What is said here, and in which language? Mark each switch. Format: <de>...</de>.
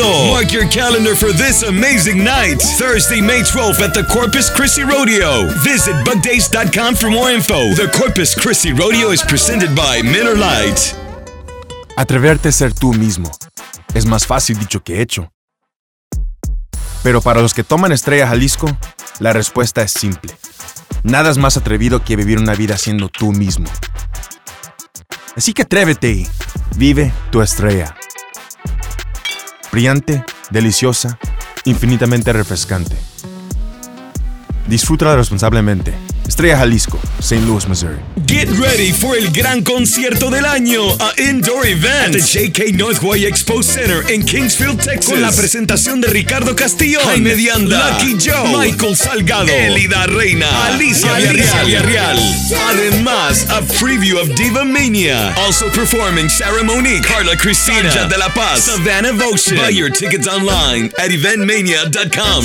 <en>Mark your calendar for this amazing night, Thursday, May 12th at the Corpus Christi Rodeo. Visit bugdays.com for more info. The Corpus Christi Rodeo is presented by Miller Lite.</en> <es>Atreverte a ser tú mismo es más fácil dicho que hecho. Pero para los que toman Estrella Jalisco, la respuesta es simple. Nada es más atrevido que vivir una vida siendo tú mismo. Así que atrévete y vive tu estrella. Brillante, deliciosa, infinitamente refrescante. Disfrútala responsablemente. Estrella Jalisco, St. Louis, Missouri.</es> <en>Get ready for</en> <es>el gran concierto del año,</es> <en>an indoor event at the J.K.</en> <es>Northway Expo Center in Kingsfield, Texas. Con la presentación de Ricardo Castillo, Jaime Dianda, Lucky Joe, Michael Salgado, Elida Reina, Alicia Villarreal.</es> <en>Además, a preview of Diva Mania. Also performing Sarah Monique, Carla Cristina, Sanja de la Paz, Savannah Votion. Buy your tickets online at eventmania.com.</en>